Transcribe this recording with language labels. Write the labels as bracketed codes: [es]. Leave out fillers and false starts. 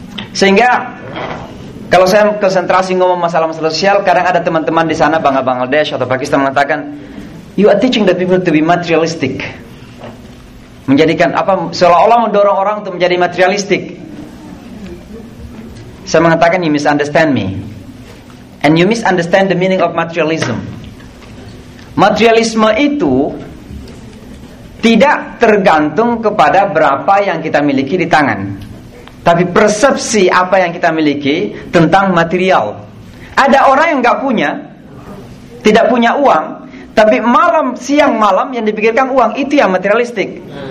[id] Sehingga kalau saya konsentrasi ngomong masalah-masalah sosial, kadang ada teman-teman di sana Bangladesh atau Pakistan mengatakan, [en] "You are teaching the people to be materialistic." [id] Menjadikan apa seolah-olah mendorong orang untuk menjadi materialistik. Saya mengatakan, [en] "You misunderstand me. And you misunderstand the meaning of materialism." [id] Materialisme itu tidak tergantung kepada berapa yang kita miliki di tangan, tapi persepsi apa yang kita miliki tentang material. Ada orang yang gak punya, tidak punya uang, tapi malam, siang malam yang dipikirkan uang, itu yang materialistik.